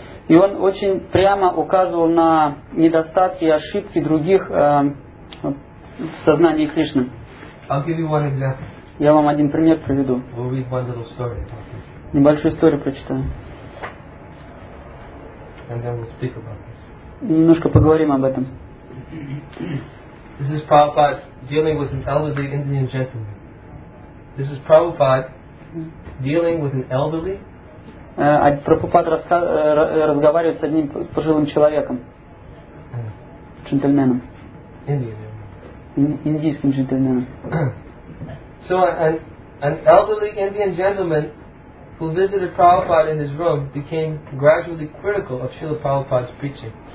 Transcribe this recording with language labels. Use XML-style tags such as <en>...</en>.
<ru>И он очень прямо указывал на недостатки и ошибки других в сознании Кришны.</ru> <en>I'll give you one example.</en> <ru>Я вам один пример приведу.</ru> <en>We'll read one little story about this.</en> <ru>Небольшую историю прочитаю.</ru> <en>And then we'll speak about this.</en> <ru>И немножко поговорим об этом.</ru> <en>This is Prabhupada dealing with an elderly Indian gentleman. This is Prabhupada dealing with an elderly.</en> <ru>Прабхупада разговаривает с одним пожилым человеком. Джентльменом. Индийским джентльменом.</ru> <en>So an elderly Indian gentleman who visited Prabhupada in his room became gradually critical of Srila Prabhupada's preaching.</en>